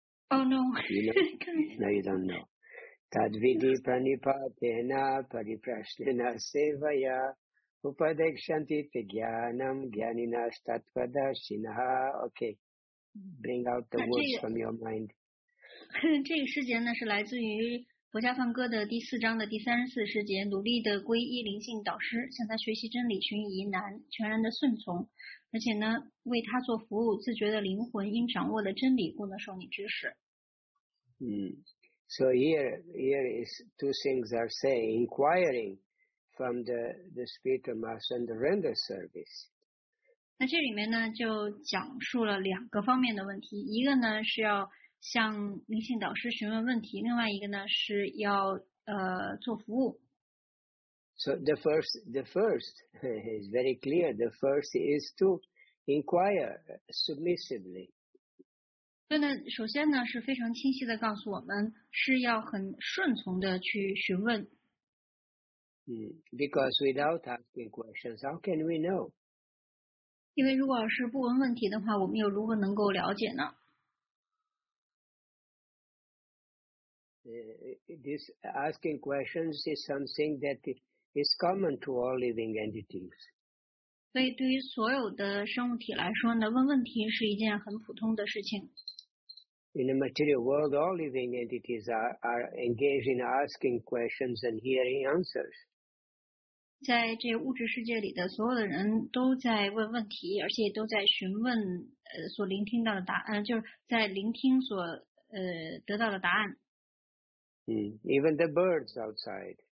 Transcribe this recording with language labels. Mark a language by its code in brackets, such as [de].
[en] Oh, no. You know? No, you don't know. [sa] Tadvidi pranipatena pariprasnena sevaya upadekshanti te jnanam jnaninas tatvadarsinaha. [en] Okay, bring out the words from your mind. [zh] 这个世界呢是来自于佛家梵歌的第四章的第34节，努力的皈依灵性导师，向他学习真理，寻以疑难，全然的顺从，而且呢，为他做服务，自觉的灵魂应掌握的真理，故能受你指使。 [en] So here is two things are saying, inquiring from the spirit of mass and the render service. [zh] 那这里面呢，就讲述了两个方面的问题，一个呢是要向灵性导师询问问题，另外一个呢是要做服务。 [en] So the first is very clear. The first is to inquire submissively. [zh] 所以呢，首先呢是非常清晰的告诉我们是要很顺从的去询问。 [en] Because without asking questions, how can we know? [zh] 因为如果是不问问题的话，我们又如何能够了解呢？ [en] This asking questions is something that is common to all living entities. [zh] 所以对于所有的生物体来说呢，问问题是一件很普通的事情。 [en] In the material world, all living entities are engaged in asking questions and hearing answers. [zh] 在这物质世界里的所有的人都在问问题，而且都在询问所聆听到的答案，就是在聆听所得到的答案。 [en] Even the birds outside.